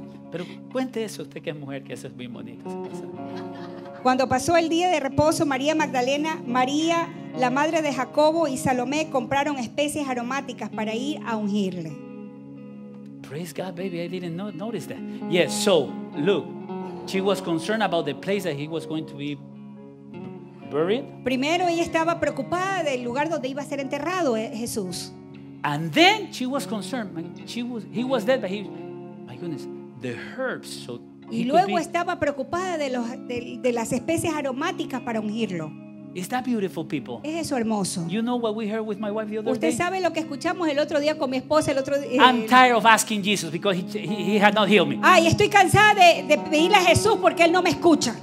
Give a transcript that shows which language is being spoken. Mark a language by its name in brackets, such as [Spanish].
[Spanish] Pero cuente eso, usted que es mujer, que eso es muy bonito. Cuando pasó el día de reposo, María Magdalena, María, la madre de Jacobo y Salomé compraron especies aromáticas para ir a ungirle. [English] Praise God, baby, I didn't notice that. Yes, so, look, she was concerned about the place that he was going to be buried. [Spanish] Primero, ella estaba preocupada del lugar donde iba a ser enterrado Jesús. [English] And then she was concerned. He was dead, but my goodness, the herbs. So [Spanish] y luego estaba preocupada de las especies aromáticas para ungirlo. [English] Is that beautiful, people? [Spanish] Es eso hermoso. [English] You know what we heard with my wife the other [Spanish] usted [English] day? [Spanish] Sabe lo que escuchamos el otro día con mi esposa el otro día. [English] I'm tired of asking Jesus because he had not healed me. [Spanish] Ay, estoy cansada de pedirle a Jesús porque él no me escucha.